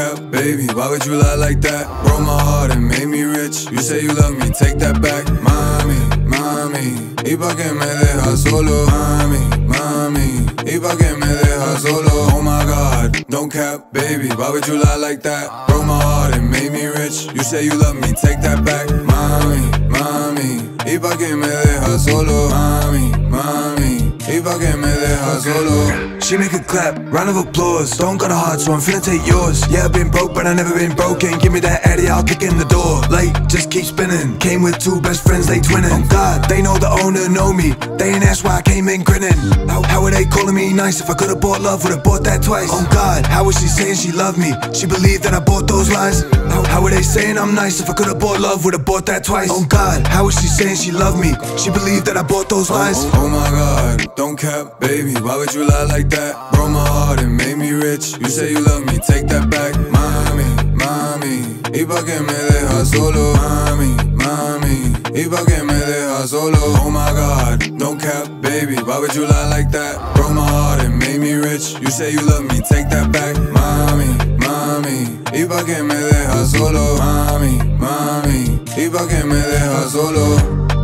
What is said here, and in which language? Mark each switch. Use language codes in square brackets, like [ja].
[en] Baby, why would you lie like that? Broke my heart and made me rich. You say you love me, take that back. [es] Mami, mami, y pa' que me deja solo. Mami, mami, y pa' que me deja solo. [en] Oh my god, don't cap. Baby, why would you lie like that? Broke my heart and made me rich. You say you love me, take that back. [es] Mami, mami, y pa' que me deja solo. Mami, mami, y pa' que me deja solo. [en] She make a clap, round of applause. Don't got a heart, so I'm finna take yours. Yeah, I've been broke, but I never been broken. Give me that Eddie, I'll kick in the door. Like, just keep spinning. Came with two best friends, they twinning. Oh God, they know the owner, know me. They ain't asked why I came in grinning. How are they calling me nice? If I could've bought love, would've bought that twice. Oh God, how is she saying she loved me? She believed that I bought those lies. How are they saying I'm nice? If I could've bought love, would've bought that twice. Oh God, how is she saying she loved me? She believed that I bought those lies. Oh my God, don't cap, baby. Why would you lie like that? Broke my heart and made me rich. You say you love me, take that back. [es] Mami, mami, y pa' que me deja solo. Mami, mami, y pa' que me deja solo. [en] Oh my god, don't cap, baby, why would you lie like that? Broke my heart and made me rich. You say you love me, take that back. [es] Mami, mami, y pa' que me deja solo. Mami, mami, y pa' que me deja solo.